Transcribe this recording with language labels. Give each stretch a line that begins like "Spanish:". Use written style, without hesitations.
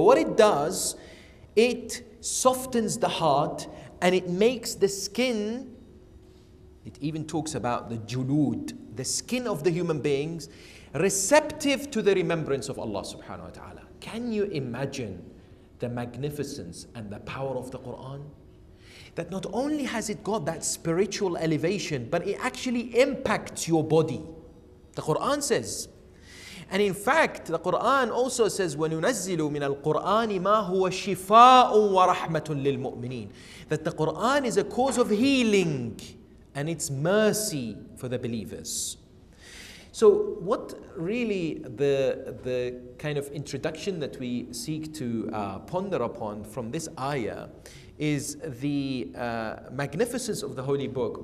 English: But what it does, it softens the heart and it makes the skin, it even talks about the julud, the skin of the human beings, receptive to the remembrance of Allah subhanahu wa ta'ala. Can you imagine the magnificence and the power of the Quran? That not only has it got that spiritual elevation, but it actually impacts your body. The Quran says. And in fact, the Quran also says,
Arabic: وَنُنَزِّلُ مِنَ الْقُرْآنِ مَا هُوَ شِفَاءٌ وَرَحْمَةٌ لِلْمُؤْمِنِينَ.
English: That the Quran is a cause of healing and it's mercy for the believers. So what really the kind of introduction that we seek to ponder upon from this ayah is the magnificence of the Holy Book.